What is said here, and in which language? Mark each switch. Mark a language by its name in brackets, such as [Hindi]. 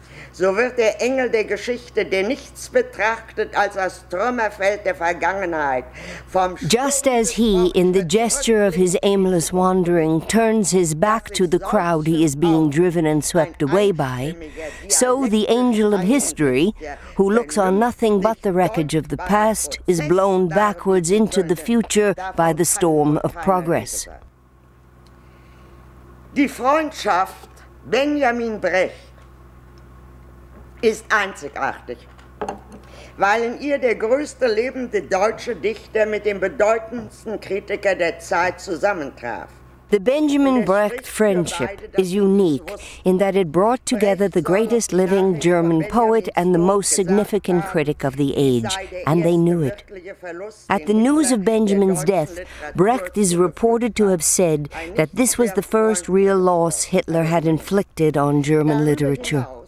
[German] So wird der Engel der Geschichte, der nichts betrachtet als das Trümmerfeld der Vergangenheit, vom [English] just as he, in the gesture of his aimless wandering, turns his back to the crowd he is being driven and swept away by, so the angel of history, who looks on nothing but the wreckage of the past, is blown backwards into the future by the storm of progress. [German] Die Freundschaft Benjamin Brecht ist einzigartig, weil in ihr der größte lebende deutsche Dichter mit dem bedeutendsten Kritiker der Zeit zusammentraf. [English] The Benjamin Brecht friendship is unique in that it brought together the greatest living German poet and the most significant critic of the age, and they knew it. At the news of Benjamin's death, Brecht is reported to have said that this was the first real loss Hitler had inflicted on German literature.